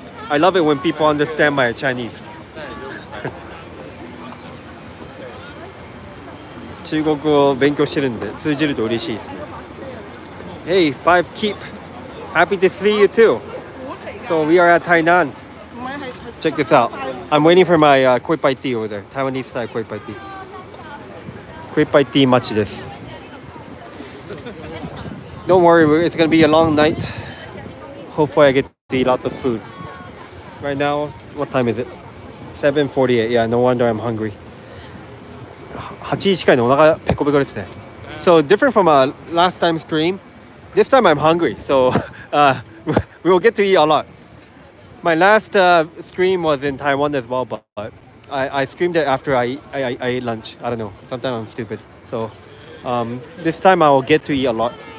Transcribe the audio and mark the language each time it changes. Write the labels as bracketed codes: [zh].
[en] I love it when people understand my Chinese. [ja] 中国語を勉強してるんで通じると嬉しいですね。 [en] Hey, five keep. Happy to see you too. So we are at Tainan. Check this out. I'm waiting for my kuih pai tea over there. Taiwanese style kuih pai tea. Kuih pai tea [ja] machi desu. [en] Don't worry, it's going to be a long night. Hopefully I get to eat lots of food. Right now, what time is it? 7:48. Yeah, no wonder I'm hungry. [ja] 8時近いのお腹ペコペコですね。 [en] So different from last time stream. This time I'm hungry, so we'll get to eat a lot. My last stream was in Taiwan as well, but I screamed it after I ate lunch. I don't know, sometimes I'm stupid. So this time I will get to eat a lot.